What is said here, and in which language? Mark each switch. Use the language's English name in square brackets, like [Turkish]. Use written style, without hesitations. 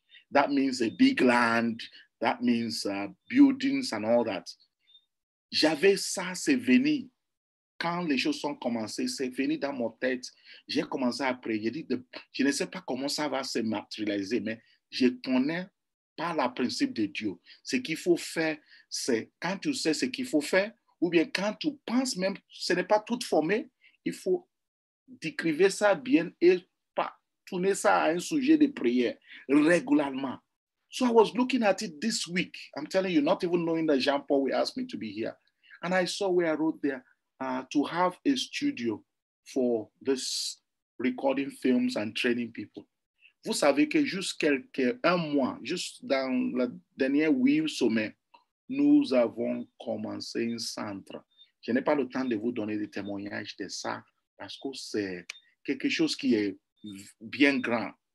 [English] That means a big land, that means buildings and all that. [French] J'avais ça, c'est venu. Quand les choses sont commencées, c'est venu dans mon tête. J'ai commencé à prier. J'ai dit, je ne sais pas comment ça va se matérialiser, mais je connais par le principe de Dieu. Ce qu'il faut faire, c'est quand tu sais ce qu'il faut faire, ou bien quand tu penses même, ce n'est pas tout formé, il faut décrire ça bien et pas tourner ça à un sujet de prière régulièrement. [English] So I was looking at it this week. I'm telling you, not even knowing that Jean-Paul will ask me to be here. And I saw where I wrote there to have a studio for this recording films and training people. [French] Vous savez que juste un mois, juste dans la dernière 8 semaines, nous avons commencé un centre. Je n'ai pas le temps de vous donner des témoignages de ça parce que c'est quelque chose qui est bien grand.